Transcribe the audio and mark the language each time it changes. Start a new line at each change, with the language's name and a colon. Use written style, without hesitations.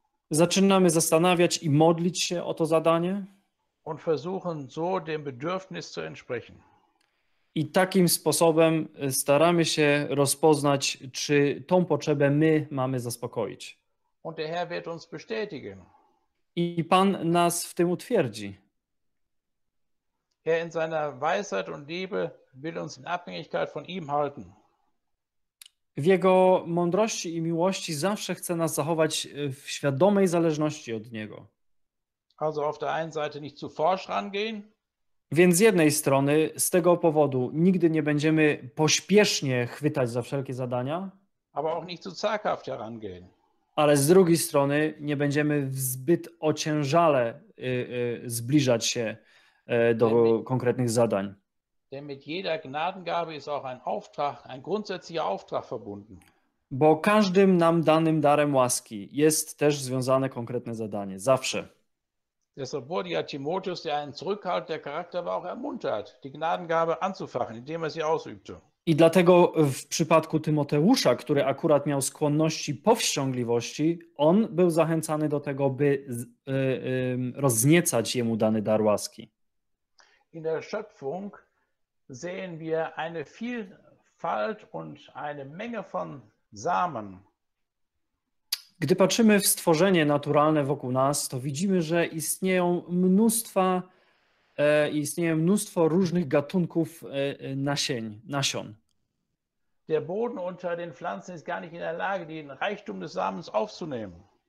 Polish: Zaczynamy zastanawiać i modlić się o to zadanie.
German: Und versuchen so dem Bedürfnis zu entsprechen.
Polish: I takim sposobem staramy się rozpoznać, czy tą potrzebę my mamy zaspokoić.
German: Und der Herr wird uns bestätigen.
Polish: I Pan nas w tym utwierdzi.
German: Er in seiner Weisheit und Liebe will uns in Abhängigkeit von ihm halten.
Polish: W jego mądrości i miłości zawsze chce nas zachować w świadomej zależności od niego.
German: Also auf der einen Seite nicht zu forsch rangehen.
Polish: Więc z jednej strony, z tego powodu, nigdy nie będziemy pośpiesznie chwytać za wszelkie zadania.
German: Aber auch nicht zu zaghaft herangehen.
Polish: Ale z drugiej strony, nie będziemy zbyt ociężale zbliżać się do konkretnych zadań.
German: Denn mit jeder Gnadengabe ist auch ein Auftrag, ein grundsätzlicher Auftrag verbunden.
Polish: Bo każdym nam danym darem łaski jest też związane konkretne zadanie, zawsze.
German: Deshalb wurde ja Timotheus, der einen zurückhaltenden Charakter war, auch ermuntert, die Gnadengabe anzufachen, indem er sie ausübte.
Polish: I dlatego w przypadku Tymoteusza, który akurat miał skłonności powściągliwości, on był zachęcany do tego, by rozniecać jemu dany dar łaski.
German: In der Schöpfung sehen wir eine Vielfalt und eine Menge von Samen.
Polish: Gdy patrzymy w stworzenie naturalne wokół nas, to widzimy, że istnieje mnóstwo różnych gatunków nasion.
German: Der Boden unter den Pflanzen ist gar nicht in der Lage, den Reichtum des Samens aufzunehmen.